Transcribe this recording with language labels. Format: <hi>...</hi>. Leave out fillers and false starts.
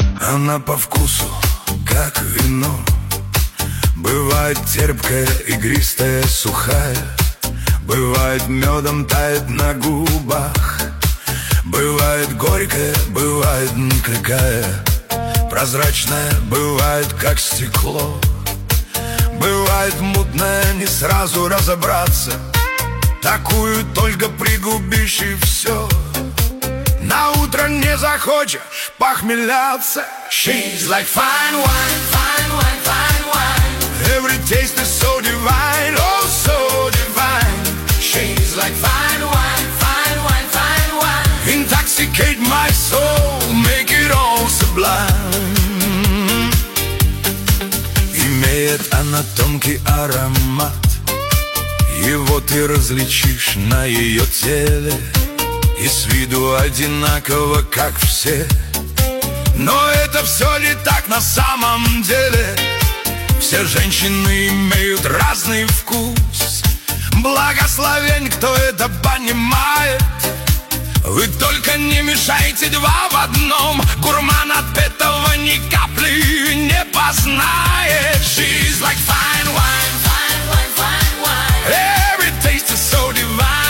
<ru>Она по вкусу, как вино, бывает терпкая, игристая, сухая, бывает медом тает на губах, бывает горькая, бывает никакая, прозрачная, бывает как стекло, бывает мутная, не сразу разобраться, такую только пригубишь и все. На утро не захочешь похмеляться.</ru> <en>She's like fine wine, fine wine, fine wine. Every taste is so divine, oh so divine. She's like fine wine, fine wine, fine wine. Intoxicate my soul, make it all sublime.</en> <ru>Имеет она тонкий аромат, его ты различишь на ее теле. И с виду одинаково, как все, но это все не так на самом деле. Все женщины имеют разный вкус, благословен, кто это понимает. Вы только не мешайте два в одном, гурман от этого ни капли не познает.</ru> <en>She's like fine wine, fine wine, fine wine. Every taste is so divine.</en>